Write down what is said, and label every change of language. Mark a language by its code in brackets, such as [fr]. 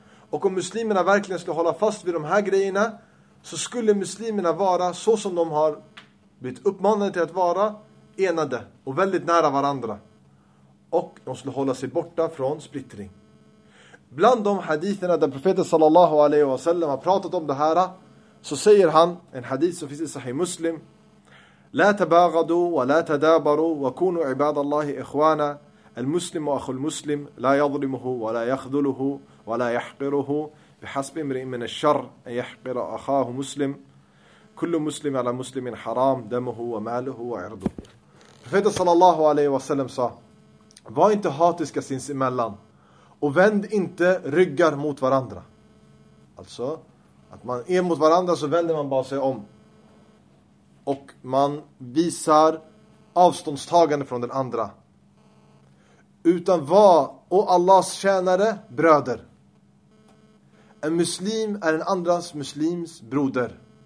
[sv] Och om muslimerna verkligen skulle hålla fast vid de här grejerna så skulle muslimerna vara så som de har blivit uppmanade till att vara, enade och väldigt nära varandra. Och de skulle hålla sig borta från splittring. Bland de haditherna där profeten sallallahu alaihi wasallam har pratat om det här så säger han en hadith som finns i Sahih Muslim: [ar] لا تباغضوا ولا تدابروا وكونوا عباد الله إخوانا المسلم أخو المسلم لا يظلمه ولا يخذله ولا يحقره بحسب امرئ من الشر أن يحقر أخاه مسلم كل مسلم على مسلم حرام دمه وماله وعرضه فإذا صلى الله عليه وسلم صلى [sv] var inte hatiska sinsemellan och vänd inte ryggar mot varandra. Alltså att man är mot varandra så vänder man bara sig om och man visar avståndstagande från den andra. Utan var och Allahs tjänare bröder. En muslim är en andras muslims broder.